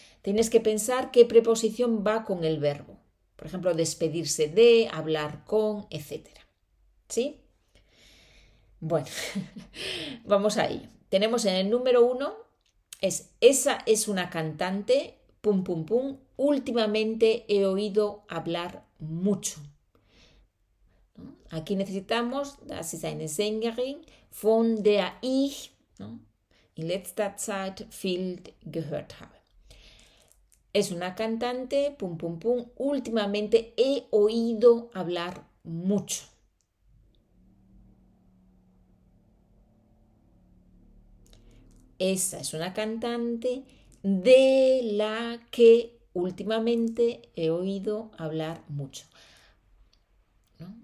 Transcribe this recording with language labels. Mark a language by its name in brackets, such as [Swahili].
[Spanish] Tienes que pensar qué preposición va con el verbo. Por ejemplo, despedirse de, hablar con, etcétera. ¿Sí? Bueno, vamos ahí. Tenemos en el número uno. Esa es una cantante, pum, pum, pum. Últimamente he oído hablar mucho. ¿No? [German] Aquí necesitamos, das ist eine Sängerin, von der ich, ¿no? in letzter Zeit viel gehört habe. [Spanish] Es una cantante, pum, pum, pum. Últimamente he oído hablar mucho. Esa es una cantante de la que últimamente he oído hablar mucho. ¿No?